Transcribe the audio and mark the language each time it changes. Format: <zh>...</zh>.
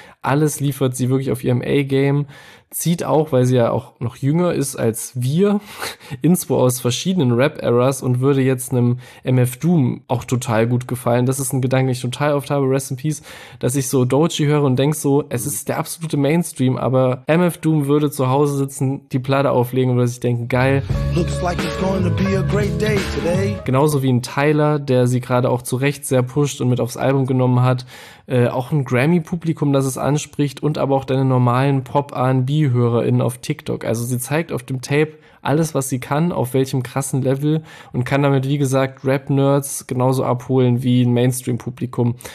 <de>Alles liefert sie wirklich auf ihrem A-Game. Zieht auch, weil sie ja auch noch jünger ist als wir, Inspo aus verschiedenen Rap-Eras und würde jetzt einem MF Doom auch total gut gefallen. Das ist ein Gedanke, den ich total oft habe, rest in peace, dass ich so Doechii höre und denk so, es ist der absolute Mainstream, aber MF Doom würde zu Hause sitzen, die Platte auflegen und würde sich denken, geil.</de> <en>Looks like it's going to be a great day today.</en> <de>Genauso wie ein Tyler, der sie gerade auch zu Recht sehr pusht und mit aufs Album genommen hat. Auch ein Grammy-Publikum, das es anspricht und aber auch deine normalen Pop-R&B-HörerInnen auf TikTok. Also sie zeigt auf dem Tape alles, was sie kann, auf welchem krassen Level und kann damit, wie gesagt, Rap-Nerds genauso abholen wie ein Mainstream-Publikum.</de>